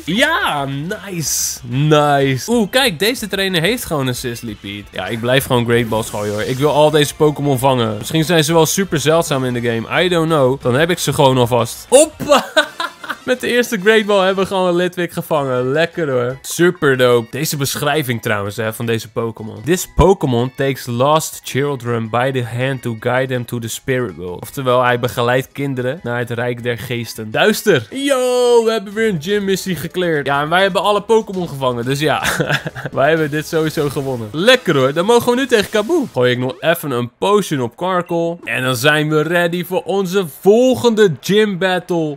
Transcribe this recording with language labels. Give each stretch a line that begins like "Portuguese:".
Dutch: Ja, nice. Nice. Oeh, kijk, deze trainer heeft gewoon een Sizzlypeed. Ja, ik blijf gewoon Great Balls gooien hoor. Ik wil al deze Pokémon vangen. Misschien zijn ze wel super zeldzaam in de game.
English: I don't know.
Dutch: Dan heb ik ze gewoon alvast. Hoppa! Met de eerste Great Ball hebben we gewoon een Litwick gevangen. Lekker hoor. Super dope. Deze beschrijving trouwens hè, van deze Pokémon.
English: This Pokémon takes lost children by the hand to guide them to the spirit world.
Dutch: Oftewel, hij begeleidt kinderen naar het Rijk der Geesten. Duister. Yo, we hebben weer een gym missie gecleared. Ja, en wij hebben alle Pokémon gevangen. Dus ja, wij hebben dit sowieso gewonnen. Lekker hoor. Dan mogen we nu tegen Kaboom. Gooi ik nog even een potion op Karkul. En dan zijn we ready voor onze volgende gym battle.